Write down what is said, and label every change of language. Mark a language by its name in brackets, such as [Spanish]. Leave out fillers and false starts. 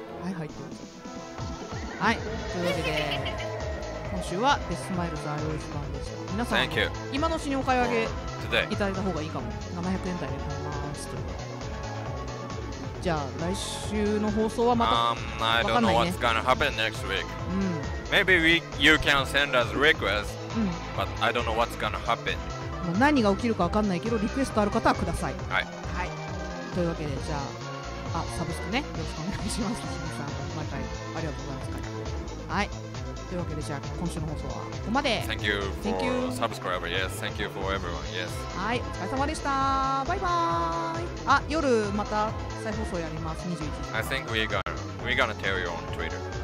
[Japanese] なるほど、はいはい、ってことはい、というわけで今週はデスマイルズ iOS 版でした。皆さん、 [English] Thank you. [Japanese] 今のうちにお買い上げいただいた方がいいかも。700円台で買います。じゃあ来週の放送はまた、 [English] I don't know what's gonna happen next week、 [Japanese] うん、 [English] Maybe we, you can send us requests、うん、but I don't know what's gonna happen。 [Japanese] 何が起きるか分かんないけど、リクエストある方はください。はい、はい、というわけで、じゃああ、サブスクね、よろしくお願いします。皆さん、毎回ありがとうございます。はい、というわけで、じゃあ今週の放送はここまで。 [English] Thank you for subscribing. Yes, thank you for everyone. Yes. [Japanese] はい、お疲れ様でした。バイバーイ。あ、夜また再放送やります。 21時 [English] I think we're gonna tell you on Twitter。